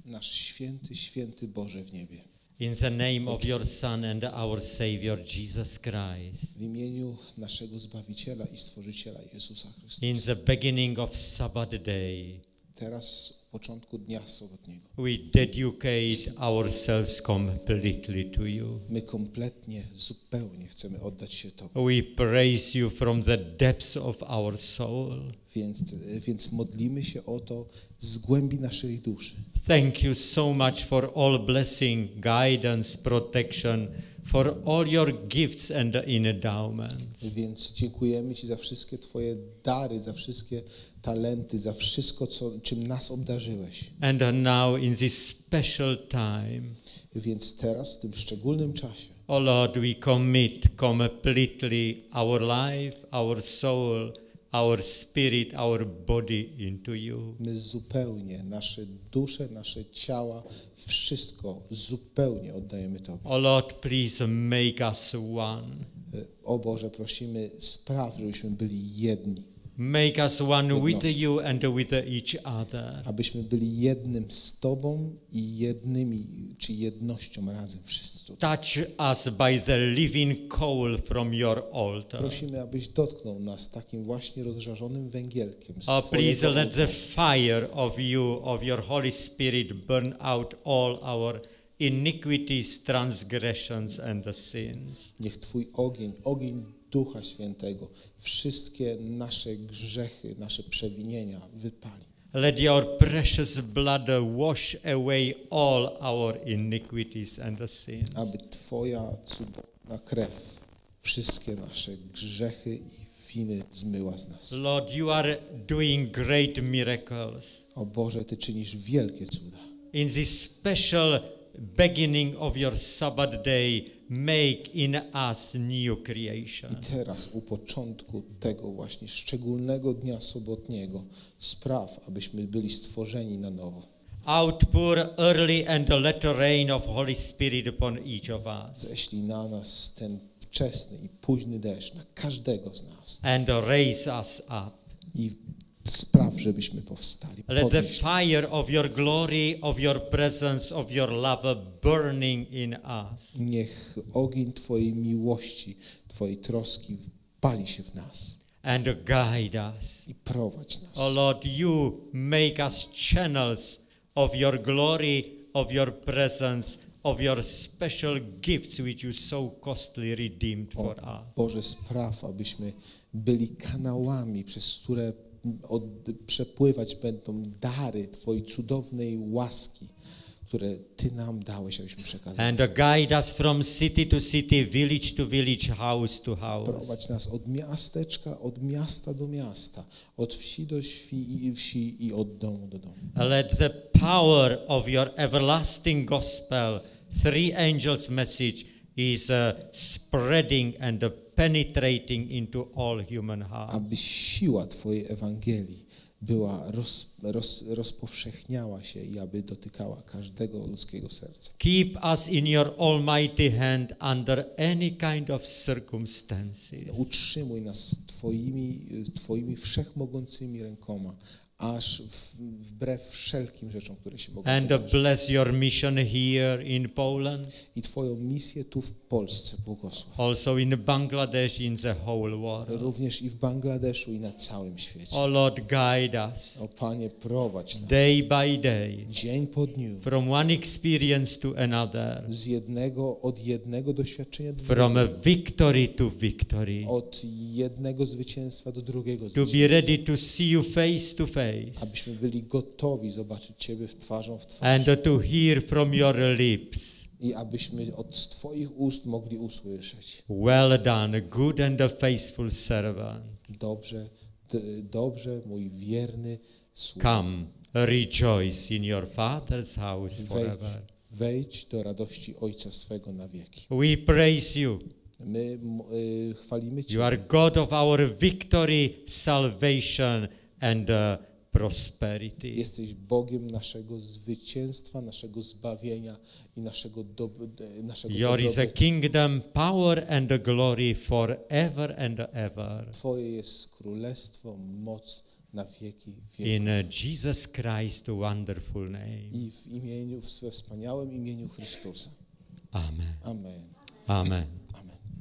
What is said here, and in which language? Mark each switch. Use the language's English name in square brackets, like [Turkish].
[Polish] Nasz święty, święty Boże w niebie. [English] In the name of your Son and our Savior Jesus Christ. [Polish] W imieniu naszego Zbawiciela i Stworzyciela Jezusa Chrystusa. [English] In the beginning of Sabbath day. [Polish] Teraz w początku dnia sobotniego. [English] We dedicate ourselves completely to you. [Polish] My kompletnie, zupełnie chcemy oddać się Tobie. [English] We praise you from the depths of our soul. [Polish] Więc modlimy się o to z głębi naszej duszy. [English] Thank you so much for all blessing, guidance, protection, for all your gifts and endowments. [Polish] Więc dziękujemy Ci za wszystkie Twoje dary, za wszystkie talenty, za wszystko, czym nas obdarzyłeś. [English] And now in this special time. [Polish] Więc teraz, w tym szczególnym czasie. [English] O Lord, we commit completely our life, our soul, our spirit, our body into you. [Polish] My zupełnie, nasze dusze, nasze ciała, wszystko zupełnie oddajemy Tobie. [English] O Lord, please make us one. [Polish] O Boże, prosimy, spraw, żebyśmy byli jedni. [English] Make us one with you and with each other. [Polish] Abyśmy byli jednym z Tobą i jednymi, czy jednością razem wszyscy. [English] Touch us by the living coal from your altar. [Polish] Prosimy, abyś dotknął nas takim właśnie rozżarzonym węgielkiem. [English] Oh, please let the fire of you, of your Holy Spirit, burn out all our iniquities, transgressions and the sins. [Polish] Niech Twój ogień, ogień Ducha Świętego, wszystkie nasze grzechy, nasze przewinienia wypali. [English] Let your precious blood wash away all our iniquities and the sins. [Polish] Aby Twoja cudowna krew wszystkie nasze grzechy i winy zmyła z nas. [English] Lord, you are doing great miracles. [Polish] O Boże, Ty czynisz wielkie cuda. [English] In this special beginning of your Sabbath day, make in us new creation. [Polish] I teraz, u początku tego właśnie szczególnego dnia sobotniego, spraw, abyśmy byli stworzeni na nowo. [English] Outpour early and later rain of Holy Spirit upon each of us. [Polish] Ześlij na nas ten wczesny i późny deszcz, na każdego z nas. [English] And raise us up. [Polish] I spraw, żebyśmy powstali. [English] Let the fire of your glory, of your presence, of your love burning in us. [Polish] Niech ogień Twojej miłości, Twojej troski pali się w nas. [English] And guide us. [Polish] I prowadź nas. [English] O Lord, you make us channels of your glory, of your presence, of your special gifts which you so costly redeemed for us. [Polish] Boże, spraw, abyśmy byli kanałami, przez które przepływać będą dary Twojej cudownej łaski, które Ty nam dałeś, abyśmy przekazali. [English] And guide us from city to city, village to village, house to house. [Polish] Prowadź nas od miasteczka, od miasta do miasta, od wsi do wsi i od domu do domu. [English] Let the power of your everlasting gospel, three angels message, is spreading and penetrating into all human hearts. [Polish] Aby siła Twojej Ewangelii była rozpowszechniała się i aby dotykała każdego ludzkiego serca. [English] Keep us in your almighty hand under any kind of circumstances. [Polish] Utrzymuj nas Twoimi wszechmogącymi rękoma, aż wbrew wszelkim rzeczom, które się mogą wydarzyć. [English] And bless your mission here in Poland. [Polish] I Twoją misję tu w Polsce błogosław. [English] Also in Bangladesh, in the whole world. [Polish] Również i w Bangladeszu, i na całym świecie. [English] O Lord, guide us. [Polish] O Panie, prowadź nas. [English] Day by day. [Polish] Dzień po dniu. [English] From one experience to another. [Polish] Z jednego, od jednego doświadczenia do [English] from From victory to victory. [Polish] Od jednego zwycięstwa do drugiego [English] to [Polish] zwycięstwa. [English] To be ready to see you face to face. [Polish] Abyśmy byli gotowi zobaczyć Ciebie w twarzą w twarz. [English] And to hear from your lips. [Polish] I abyśmy od Twoich ust mogli usłyszeć. [English] Well done, good and faithful servant. [Polish] Dobrze, dobrze, mój wierny sługa. [English] Come, rejoice in your Father's house forever. [Polish] Wejdź do radości Ojca swego na wieki. [English] We praise you. [Polish] My chwalimy Cię. [English] You are God of our victory, salvation and prosperity. [Polish] Jesteś Bogiem naszego zwycięstwa, naszego zbawienia i naszego naszego [English] Your is a kingdom, power and glory forever and ever. [Polish] Twoje jest królestwo, moc na wieki wieków. [English] In Jesus Christ wonderful name. [Polish] I w imieniu, w swoim wspaniałym imieniu Chrystusa. Amen. Amen. Amen. Amen.